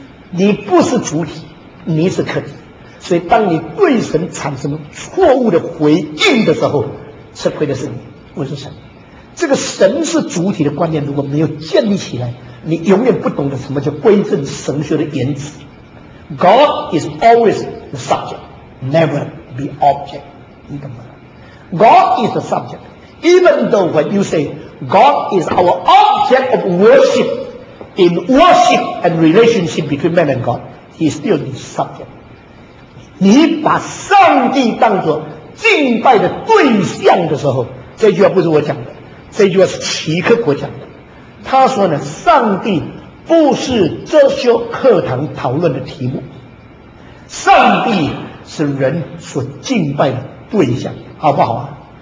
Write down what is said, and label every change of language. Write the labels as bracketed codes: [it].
[zh] 你不是主体，你是客体。所以当你对神产生错误的回应的时候，吃亏的是你，不是神。这个神是主体的观念如果没有建立起来，你永远不懂得什么叫归正神学的原则。 [en] God is always the subject, never the object. [zh] 你懂吗？ [en] God is the subject. Even though when you say God is our object of worship, in worship and relationship between man and God, He is still the subject. [zh] 你把上帝当作敬拜的对象的时候，这句话不是我讲的，这句话是齐克国讲的。他说呢，上帝不是哲学课堂讨论的题目，上帝是人所敬拜的对象，好不好啊？